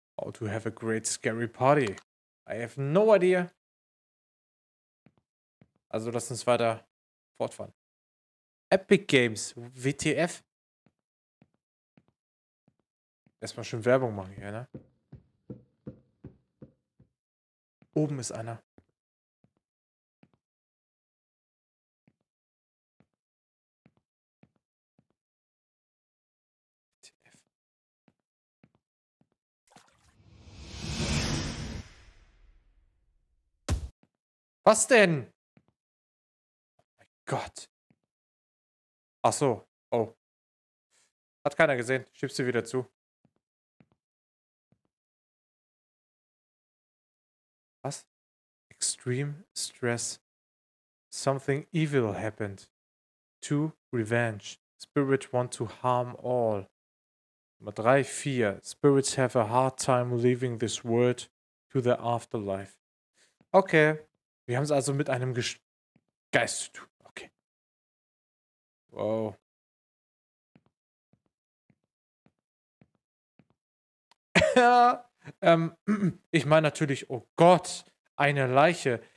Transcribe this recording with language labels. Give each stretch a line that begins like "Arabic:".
English: How to have a great scary party. I have no idea.
German: Also lass uns weiter fortfahren. Epic Games, WTF? Erstmal schön Werbung machen hier, ne? Oben ist einer.
English: WTF.
German: Was denn? Gott. Ach so. Oh. Hat keiner gesehen. Schieb sie wieder zu. Was?
English: Extreme Stress. Something evil happened. Two, revenge. Spirit want to harm all.
German: Nummer 3, 4.
English: Spirits have a hard time leaving this world to the afterlife. Okay.
German: Wir haben es also mit einem Geist zu tun. Wow. Ja, Ich meine natürlich, oh Gott, eine Leiche.